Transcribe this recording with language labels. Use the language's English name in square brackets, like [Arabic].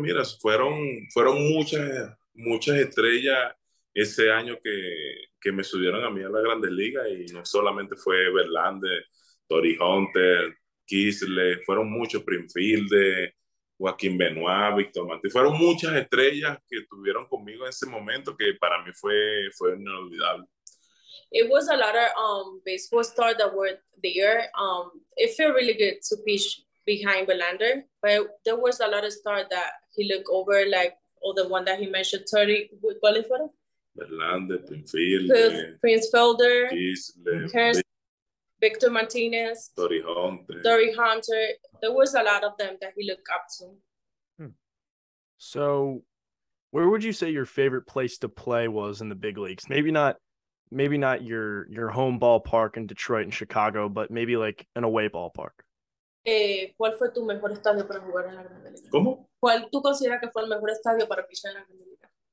[Spanish] Mira, fueron muchas estrellas ese año que me subieron a mí a la Grandes Ligas, y no solamente fue Verlander, Tori Hunter, Kisler, fueron muchos, Springfield, Joaquín Benoit, Víctor Mantí, fueron muchas estrellas que tuvieron conmigo en ese momento que para mí fue inolvidable. [English] It was a lot of baseball stars that were there. It felt really good to pitch behind Verlander, but there was a lot of stars that he looked over, like all the one that he mentioned, Tori, [Spanish] ¿cuál es fueron? [English] Verlander, Springfield, Prince Felder, Kisler, Victor Martinez, Tori Hunter. There was a lot of them that he looked up to. So where would you say your favorite place to play was in the big leagues? Maybe not your home ballpark in Detroit and Chicago, but maybe like an away ballpark. [Spanish] ¿Cuál fue tu mejor estadio para jugar en la Grande Liga? ¿Cómo? ¿Cuál tú consideras que fue el mejor estadio para pichar en la Grande Liga?